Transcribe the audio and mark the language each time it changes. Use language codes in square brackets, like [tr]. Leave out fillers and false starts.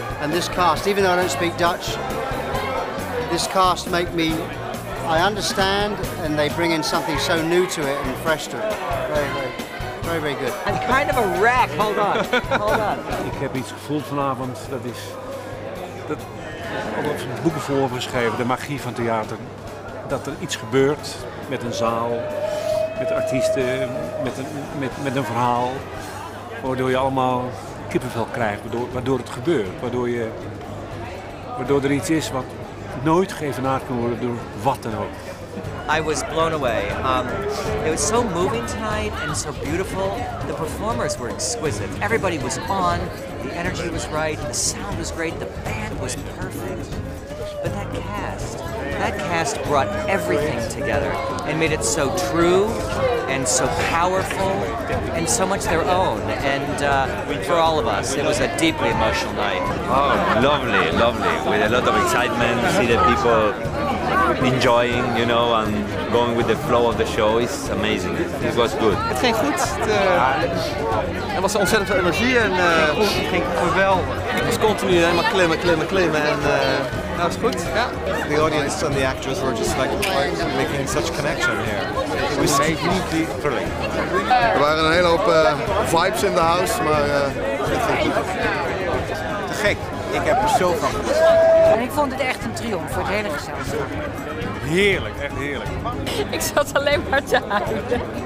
[en] And this cast, even though I don't speak Dutch, this cast make me, I understand, and they bring in something so new to it and fresh to it. Very, very good. I'm kind of a wreck. Hold on. [nl] Ik heb iets gevoeld vanavond. Dat is dat wat boeken voor geschreven. De magie van theater. Dat er iets gebeurt met een zaal. Met artiesten, met een verhaal, waardoor je allemaal kippenvel krijgt, waardoor het gebeurt. Waardoor er iets is wat nooit geëvenaard kan worden door wat dan ook. [en] I was blown away. It was so moving tonight and so beautiful. The performers were exquisite. Everybody was on, the energy was right, the sound was great, the band was perfect. But that cast brought everything together and made it so true and so powerful and so much their own. And for all of us, it was a deeply emotional night. Oh, lovely, lovely. With a lot of excitement, see the people enjoying, you know, and going with the flow of the show. It's amazing. It was good. [nl] Het ging goed. Er was ontzettend veel energie en het ging geweldig. Het was continu helemaal klimmen. Dat was goed, ja. [en] The audience and the actors were just like making such connection here. It was completely thrilling. [nl] Er waren een hele hoop vibes [en] in the house, [nl] maar het ging goed. Te gek. Ik heb er zo van. En ik vond het echt een triomf voor het hele gezelschap. Heerlijk, echt heerlijk. Ik zat alleen maar te huilen.